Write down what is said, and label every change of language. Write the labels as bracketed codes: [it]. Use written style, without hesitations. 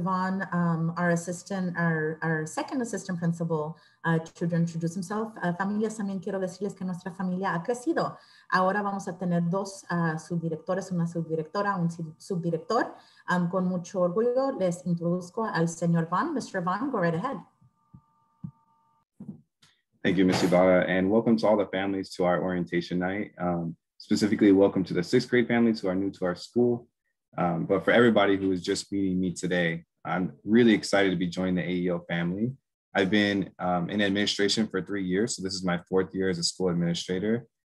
[en] Vaughn, our second assistant principal, to introduce himself. [es] Familias, también quiero decirles que nuestra familia ha crecido. Ahora vamos a tener dos subdirectores, una subdirectora, un subdirector. Con mucho orgullo, les introduzco al señor Vaughn. [en] Mr. Vaughn, go right ahead. Thank you, Ms. Ibarra, and welcome to all the families to our orientation night. Specifically, welcome to the sixth grade families who are new to our school. But for everybody who is just meeting me today, I'm really excited to be joining the AEO family. I've been in administration for 3 years, so this is my fourth year as a school administrator.